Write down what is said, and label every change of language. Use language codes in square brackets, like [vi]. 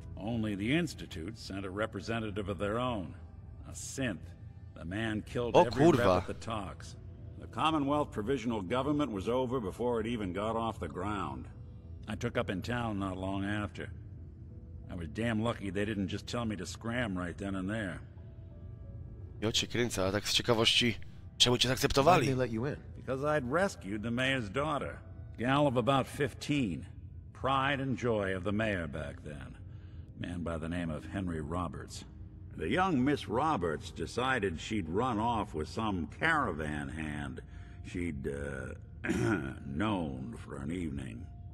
[en] Only the Institute sent a representative of their own, a synth. The man killed every rep at the talks. The Commonwealth Provisional Government was over before it even got off the ground. I took up in town not long after. I was damn lucky they didn't just tell me to scram right then and there. [pl] Jo, cię kręcę, ale tak z ciekawości, czemu cię zaakceptowali? [en] Why did they let you in? Because I'd rescued the mayor's daughter, gal of about 15, pride and joy of the mayor back then, a man by the name of Henry Roberts. The young Miss Roberts decided she'd run off with some caravan hand she'd, known for an evening.